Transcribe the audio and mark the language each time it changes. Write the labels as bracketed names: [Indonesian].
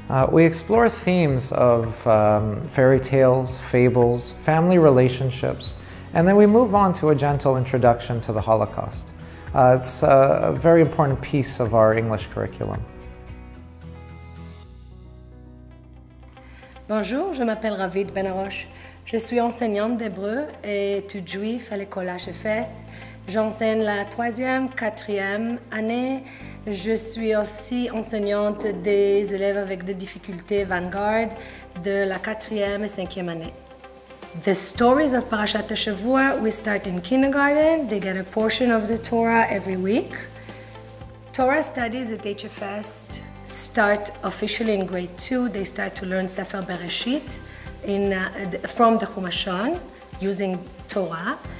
[English] We explore themes of fairy tales, fables, family relationships, and then we move on to a gentle introduction to the Holocaust. It's a very important piece of our English curriculum. [French] Bonjour, je m'appelle Ravid Benaroche. Je suis enseignante d'hébreu et étude juif à l'école HFS. J'enseigne la troisième, quatrième année. Je suis aussi enseignante des élèves avec des difficultés Vanguard de la quatrième et cinquième année. [English] The stories of Parashat Teshuvah, we start in kindergarten. They get a portion of the Torah every week. Torah studies at HFS start officially in grade 2. They start to learn Sefer Bereshit from the Chumashon using Torah.